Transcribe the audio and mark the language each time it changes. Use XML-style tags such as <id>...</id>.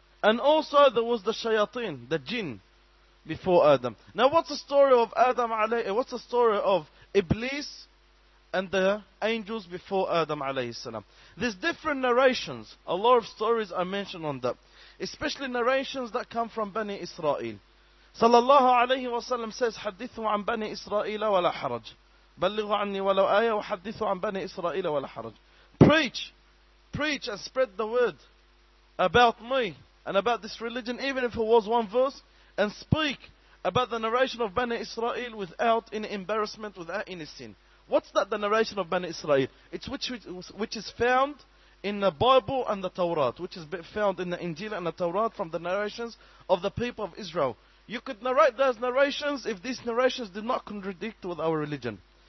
<en>And also there was the shayateen, the jinn, before Adam. Now what's the story of Adam alayhi, what's the story of Iblis and the angels before Adam alayhi salam? There's different narrations. A lot of stories are mentioned on that. Especially narrations that come from Bani Israel.</en> <ar>Sallallahu alayhi wa sallam says, حدثوا عن بني إسرائيل ولا حرج. بلغوا عني ولو آية وحدثوا عن بني إسرائيل ولا حرج.</ar> <en>Preach and spread the word about me and about this religion, even if it was one verse, and speak about the narration of Bani Israel without any embarrassment, without any sin. What's that, the narration of Bani Israel? It's which is found in the Bible and the Torah, which is found in the Injil and the Torah from the narrations of the people of Israel. You could narrate those narrations if these narrations did not contradict with our religion.</en>